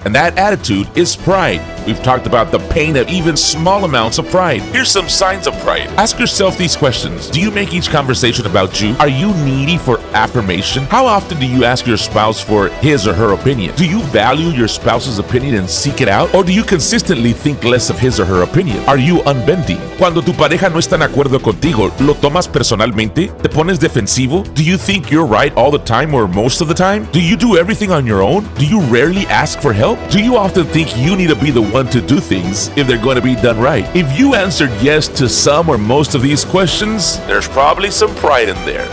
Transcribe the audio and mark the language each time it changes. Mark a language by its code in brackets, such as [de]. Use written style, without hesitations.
[en] And that attitude is pride. We've talked about the pain of even small amounts of pride. Here's some signs of pride. Ask yourself these questions. Do you make each conversation about you? Are you needy for affirmation? How often do you ask your spouse for his or her opinion? Do you value your spouse's opinion and seek it out? Or do you consistently think less of his or her opinion? Are you unbending? [es] Cuando tu pareja no está de acuerdo contigo, ¿lo tomas personalmente? ¿Te pones defensivo? [en] Do you think you're right all the time or most of the time? Do you do everything on your own? Do you rarely ask for help? Do you often think you need to be the one to do things if they're going to be done right? If you answered yes to some or most of these questions, there's probably some pride in there.